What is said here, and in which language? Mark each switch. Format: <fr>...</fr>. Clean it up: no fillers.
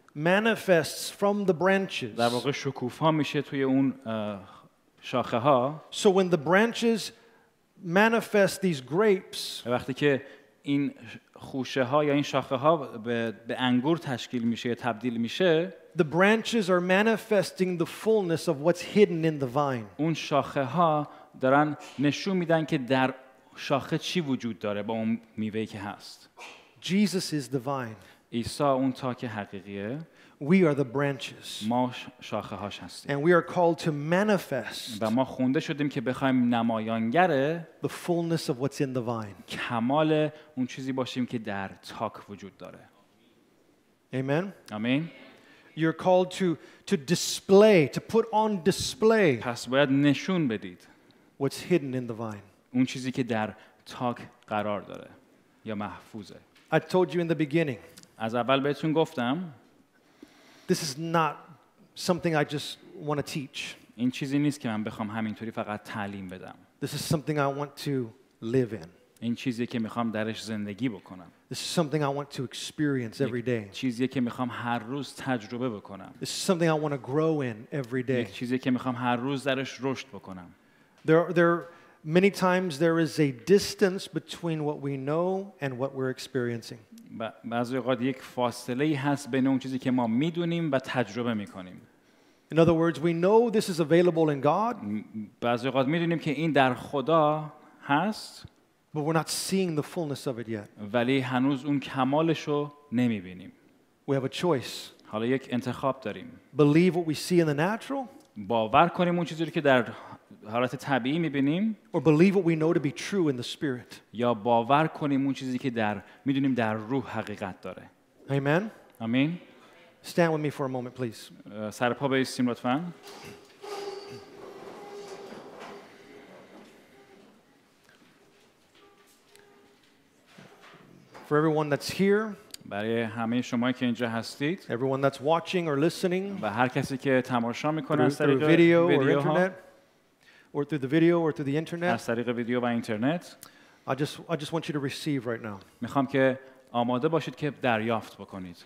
<en>Manifests from the branches.</en> <fa>در واقع شکوفا میشه توی اون شاخه ها.</fa> <en>So when the branches manifest these grapes.</en> <fa>وقتی که این خوشه ها یا این شاخه ها به انگور تشکیل میشه یا تبدیل میشه.</fa> <en>The branches are manifesting the fullness of what's hidden in the vine.</en> <fa>اون شاخه ها دارن نشون میدن که در شاخه چی وجود داره با اون میوه که هست.</fa> <en>Jesus is the vine.</en> <fa>عیسی اون تاک حقیقیه.</fa> <en>We are the branches.</en> <fa>ما شاخه هاش هستیم.</fa> <en>And we are called to manifest.</en> <fa>و ما خونده شدیم که بخوایم نمایانگر</fa> <en>the fullness of what's in the vine.</en> <fa>کمال اون چیزی باشیم که در تاک وجود داره.</fa> <en>Amen.</en> <fa>آمین.</fa> <en>You're called to display, to put on display.</en> <fa>پس باید نشون بدید.</fa> <en>What's hidden in the vine.</en> <fa>اون چیزی که در تاک قرار داره یا محفوظه.</fa> <en>I told you in the beginning.</en> <fa>از اول بهتون گفتم.</fa> <en>This is not something I just want to teach.</en> <fa>این چیزی نیست که من بخوام همینطوری فقط تعلیم بدم.</fa> <en>This is something I want to live in.</en> <fa>این چیزی که میخوام درش زندگی بکنم.</fa> <en>This is something I want to experience every day.</en> <fa>چیزی که میخوام هر روز تجربه بکنم.</fa> <en>This is something I want to grow in every day.</en> <fa>چیزی که میخوام هر روز درش رشد بکنم.</fa> <en>There many times there is a distance between what we know and what we're experiencing.</en> <fa>بعضی وقت یک فاصله ای هست بین اون چیزی که ما میدونیم و تجربه میکنیم.</fa> <en>In other words, we know this is available in God.</en> <fa>بعضی وقت میدونیم که این در خدا هست.</fa> <en>But we're not seeing the fullness of it yet.</en> <fa>ولی هنوز اون کمالش رو نمیبینیم.</fa> <en>We have a choice.</en> <fa>حالا یک انتخاب داریم.</fa> <en>Believe what we see in the natural.</en> <fa>باور کنیم اون چیزی رو که در حالت طبیعی میبینیم.</fa> <en>Or believe what we know to be true in the spirit.</en> <fa>یا باور کنیم اون چیزی که در میدونیم در روح حقیقت داره.</fa> <en>Amen. Amen. Stand with me for a moment, please.</en> <fa>سر پا بایستیم لطفا.</fa> <en>For everyone that's here.</en> <fa>برای همه شمایی که اینجا هستید.</fa> <en>Everyone that's watching or listening.</en> <fa>و هر کسی که تماشا میکنه از طریق ویدیو یا اینترنت.</fa> <en>Or through the video or through the internet.</en> <fa>از طریق ویدیو و اینترنت.</fa> <en>I just want you to receive right now.</en> <fa>میخوام که آماده باشید که دریافت بکنید.</fa>